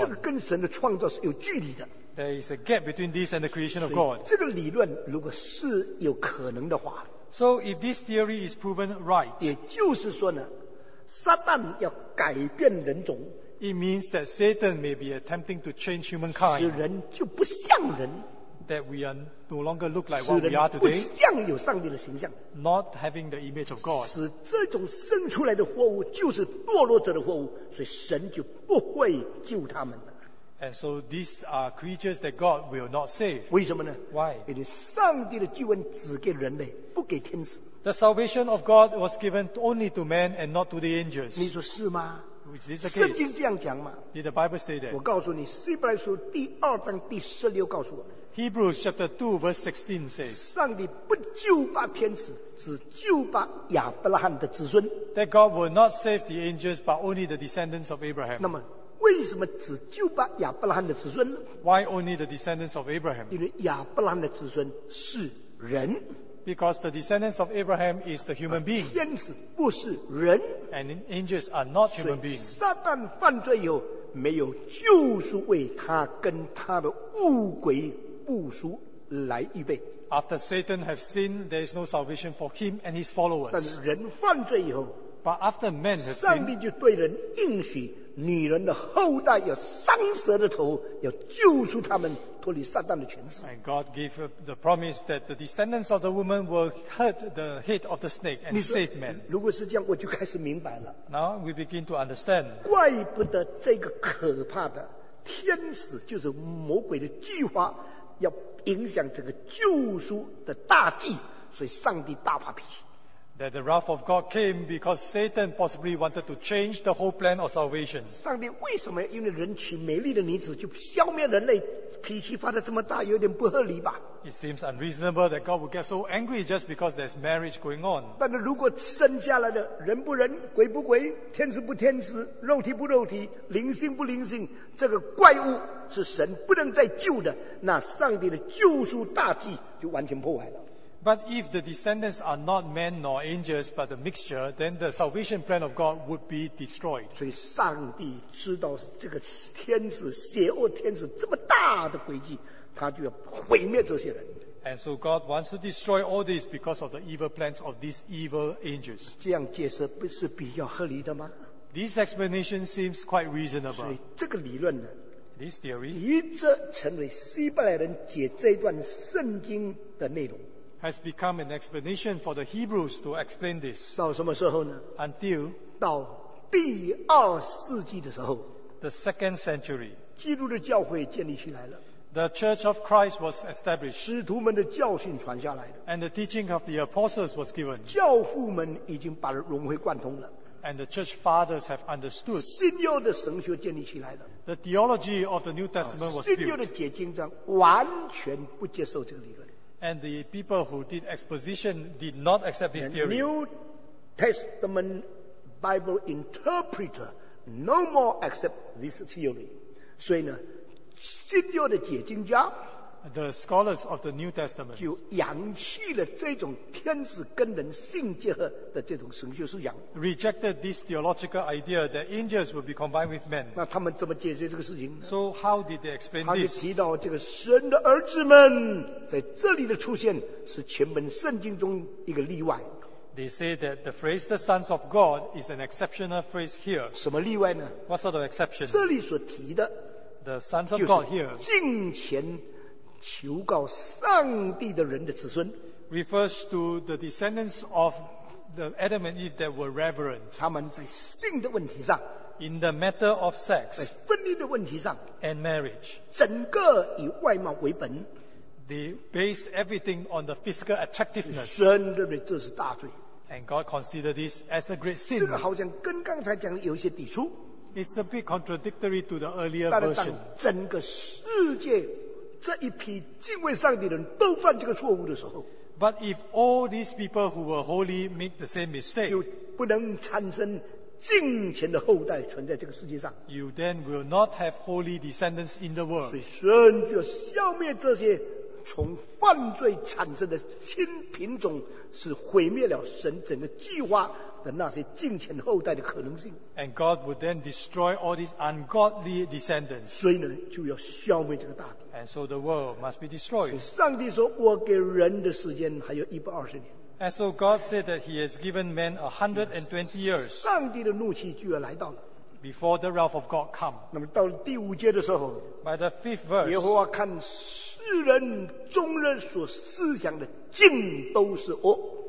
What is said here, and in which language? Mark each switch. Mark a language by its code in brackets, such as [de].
[zh] 这个跟神的创造是有距离的。 [en] There is a gap between this and the creation of God. [zh] 这个理论如果是有可能的话。 [en] So if this theory is proven right. [zh] 也就是说呢，撒旦要改变人种。 [en] It means that Satan may be attempting to change humankind. [zh] 使人就不像人。 [en] That we are no longer look like what we are today. [zh] 不像有上帝的形象。 [en] Not having the image of God. [zh] 使这种生出来的货物就是堕落者的货物，所以神就不会救他们了。 [en] And so these are creatures that God will not save. [zh] 为什么呢？ [en] Why? [zh] 因为上帝的救恩只给人类，不给天使。 [en] The salvation of God was given only to men and not to the angels. [zh] 你说是吗？ [en] Is this the case? [zh] 圣经这样讲吗？ [en] Did the Bible say that? [zh] 我告诉你，希伯来书第二章第十六告诉我们。 [en] Hebrews chapter 2 verse 16 says, [zh] 上帝不救拔天使，只救拔亚伯拉罕的子孙。 [en] That God will not save the angels but only the descendants of Abraham. [zh] 那么为什么只救拔亚伯拉罕的子孙呢？ [en] Why only the descendants of Abraham? [zh] 因为亚伯拉罕的子孙是人。 [en] Because the descendants of Abraham is the human being. [zh] 天使不是人。 [en] And angels are not human beings. [zh] 撒旦犯罪以后没有救赎为他跟他的污鬼部署来预备。 [en] After Satan has sinned, there is no salvation for him and his followers. [zh] 但是人犯罪以后， [en] But after men have sinned, [zh] 上帝就对人应许女人的后代有伤蛇的头，要救出他们脱离撒旦的权势。 [en] And God gave the promise that the descendants of the woman will hurt the head of the snake and save men. [zh] 如果是这样，我就开始明白了。 [en] Now we begin to understand. [zh] 怪不得这个可怕的天使就是魔鬼的计划，要影响这个救赎的大计，所以上帝大发脾气。 [en] That the wrath of God came because Satan possibly wanted to change the whole plan of salvation. [zh] 上帝为什么因为人娶美丽的女子就消灭人类，脾气发得这么大，有点不合理吧？ [en] It seems unreasonable that God would get so angry just because there's marriage going on. [zh] 但是如果生下来的人不人，鬼不鬼，天使不天使，肉体不肉体，灵性不灵性，这个怪物是神不能再救的，那上帝的救赎大计就完全破坏了。 [en] But if the descendants are not men nor angels but a mixture, then the salvation plan of God would be destroyed. [zh] 所以上帝知道这个天使邪恶天使这么大的诡计，他就要毁灭这些人。 [en] And so God wants to destroy all this because of the evil plans of these evil angels. [zh] 这样解释不是比较合理的吗？ [en] This explanation seems quite reasonable. [zh] 所以这个理论呢， [en] This theory [zh] 一直成为希伯来人解这段圣经的内容。 [en] Has become an explanation for the Hebrews to explain this. [zh] 到什么时候呢？ [en] Until [zh] 到第二世纪的时候， [en] the second century. [zh] 基督的教会建立起来了。 [en] The Church of Christ was established. [zh] 使徒们的教训传下来了。 [en] And the teaching of the apostles was given. [zh] 教父们已经把它融会贯通了。 [en] And the church fathers have understood. [zh] 新约的神学建立起来了。 [en] The theology of the New Testament was built. [zh] 新约的解经章完全不接受这个理论。 [en] And the people who did exposition did not accept this theory. The New Testament Bible interpreter no more accept this theory. [zh] 所以呢，新约的解经家 [en] the scholars of the New Testament [zh] 就扬弃了这种天使跟人性结合的这种神学思想 [en] rejected this theological idea that angels will be combined with men. [zh] 那他们怎么解决这个事情呢 [en] So how did they explain this? [zh] 他就提到这个神的儿子们在这里的出现是全本圣经中一个例外 [en] They say that the phrase the sons of God is an exceptional phrase here. [zh] 什么例外呢 [en] What sort of exception? [zh] 这里所提的 [en] the sons of God here [zh] 敬虔求告上帝的人的子孙 [en] refers to the descendants of the Adam and Eve that were reverent [zh] 他们在性的问题上 [en] in the matter of sex [zh] 在婚姻的问题上 [en] and marriage [zh] 整个以外貌为本 [en] they base everything on the physical attractiveness [zh] 神认为这是大罪 [en] and God considered this as a great sin [zh] 这个好像跟刚才讲的有一些抵触 [en] it's a bit contradictory to the earlier version [zh] 但是当整个世界这一批敬畏上帝的人都犯这个错误的时候 [en] But if all these people who were holy make the same mistake [zh] 就不能产生敬虔的后代存在这个世界上 [en] You then will not have holy descendants in the world [zh] 所以神就要消灭这些从犯罪产生的新品种是毁灭了神整个计划的那些敬虔后代的可能性 [en] And God would then destroy all these ungodly descendants [zh] 所以呢就要消灭这个大地 [en] And so the world must be destroyed [zh] 上帝说我给人的时间还有120年 [en] And so God said that he has given men 120 years [zh] 上帝的怒气就要来到了 [en] Before the wrath of God come [zh] 那么到了第五节的时候 [en] By the fifth verse [zh] 耶和华看世人众人所思想的尽都是恶